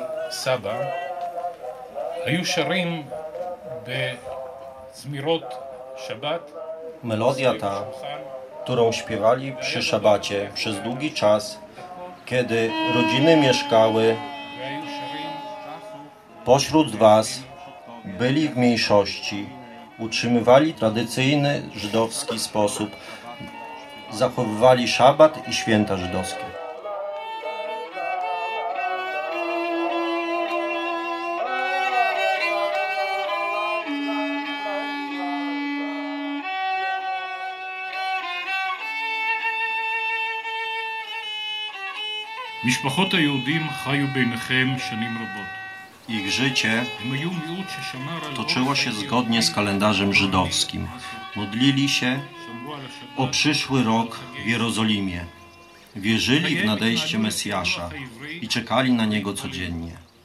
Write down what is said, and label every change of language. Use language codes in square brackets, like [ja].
[he] סבא היו שרים בזמירות שבת. [pl] Melodia ta, którą śpiewali przy szabacie przez długi czas, kiedy rodziny mieszkały pośród was, byli w mniejszości, utrzymywali tradycyjny żydowski sposób, zachowywali szabat i święta żydowskie. [he] משפחות היהודים חיו ביניכם שנים רבות. [pl] Ich życie toczyło się zgodnie z kalendarzem żydowskim. Modlili się o przyszły rok w Jerozolimie. Wierzyli w nadejście Mesjasza i czekali na niego codziennie.